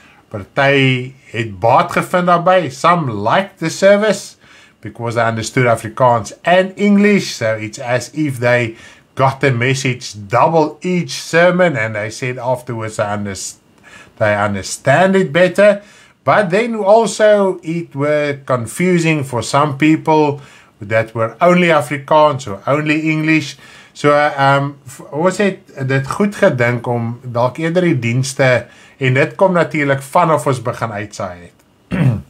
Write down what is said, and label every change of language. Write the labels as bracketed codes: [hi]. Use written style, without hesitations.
[af] Party het baat gevind daarby. [en] Some liked the service because they understood Afrikaans and English, so it's as if they got the message double each sermon, and they said afterwards they understand it better. But then also it were confusing for some people that were only Afrikaans or only English. [af] So ons het dit goed gedink om dalk eerder die dienste, en dit kom natuurlik vanaf ons begin uitsaai het.